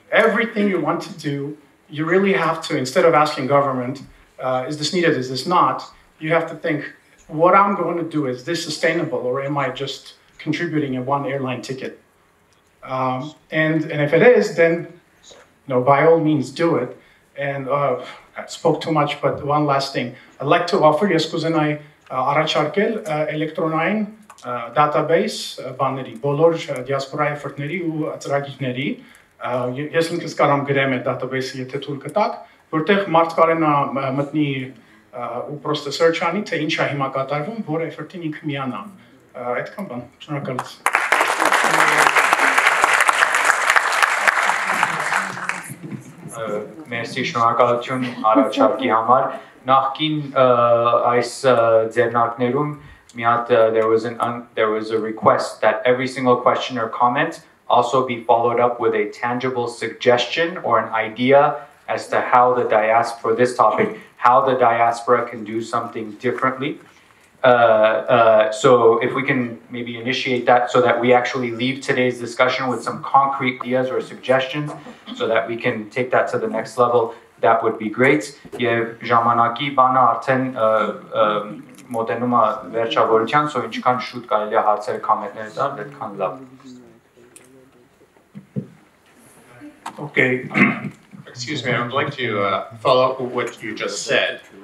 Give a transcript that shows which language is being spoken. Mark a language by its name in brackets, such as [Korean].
[English] Everything you want to do, you really have to, instead of asking government, is this needed, is this not, you have to think, what I'm going to do, is this sustainable, or am I just contributing a one airline ticket? And if it is, then, by all means, do it. And I spoke too much, but one last thing. I'd like to offer [Armenian] Yeskuzenay Arachargel Electronine database բաների բոլոր դիասպորայի ֆորտների ու ծրագիրների ես ինքս կարամ գրեմ այդ database-ը եթե ցույց կտակ որտեղ մարդ կարենա մտնի ու պրոստը search անի թե ինչա հիմա կատարվում որ effort-ին ինքը միանա այդքան բան շնորհակալություն [English] Thank you so much [Armenian] առաջարկի համար նախքին այս ձեռնարկներում [English] There was a request that every single question or comment also be followed up with a tangible suggestion or an idea as to how the diaspora, for this topic, how the diaspora can do something differently. So if we can maybe initiate that so that we actually leave today's discussion with some concrete ideas or suggestions so that we can take that to the next level, that would be great. [Armenian] Ժամանակի բանը արդեն մոտենում է վերջավորության, so ինչքան շուտ կարելի է հարցեր կոմենտներ տալ, այդքան լավ։ [English] Okay. Excuse me, I would like to follow up with what you just said.